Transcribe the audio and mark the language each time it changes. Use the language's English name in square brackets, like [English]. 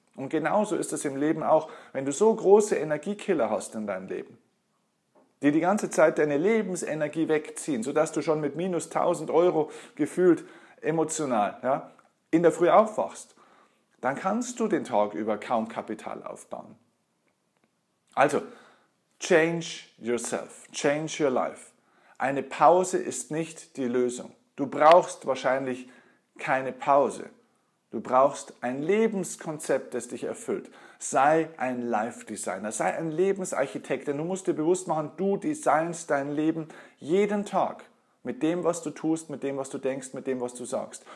[German] Und genauso ist das im Leben auch, wenn du so große Energiekiller hast in deinem Leben, die ganze Zeit deine Lebensenergie wegziehen, sodass du schon mit minus 1000 Euro gefühlt emotional, ja, in der Früh aufwachst, dann kannst du den Tag über kaum Kapital aufbauen. [English] Also, change yourself, change your life. [German] Eine Pause ist nicht die Lösung. Du brauchst wahrscheinlich keine Pause. Du brauchst ein Lebenskonzept, das dich erfüllt. Sei ein Life Designer, sei ein Lebensarchitekt, denn du musst dir bewusst machen, du designst dein Leben jeden Tag mit dem, was du tust, mit dem, was du denkst, mit dem, was du sagst.